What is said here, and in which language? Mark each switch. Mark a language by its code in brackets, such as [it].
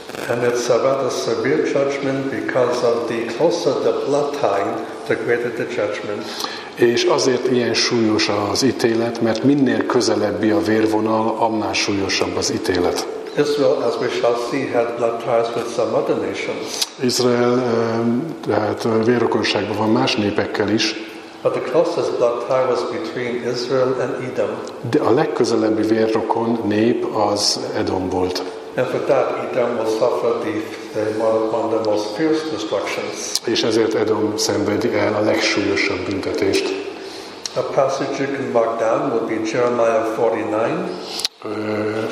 [en] And it's a rather severe judgment because of the closer the blood tie, the greater the judgment. [hu] És azért ilyen súlyos az ítélet, mert minél közelebbi a vérvonal, annál súlyosabb az ítélet. [en] Israel, as we shall see, had blood ties with some other nations. [hu] Izrael, tehát vérrokonságban van más népekkel is. [en] But the closest blood tie was between Israel and Edom. [hu] De a legközelebbi vérrokon nép az Edom volt. [en] And for that, Edom will suffer the one of the most fierce destructions. [hu] És ezért Edom szenvedi el a legsúlyosabb büntetést. [en] A passage you can mark down would be Jeremiah 49.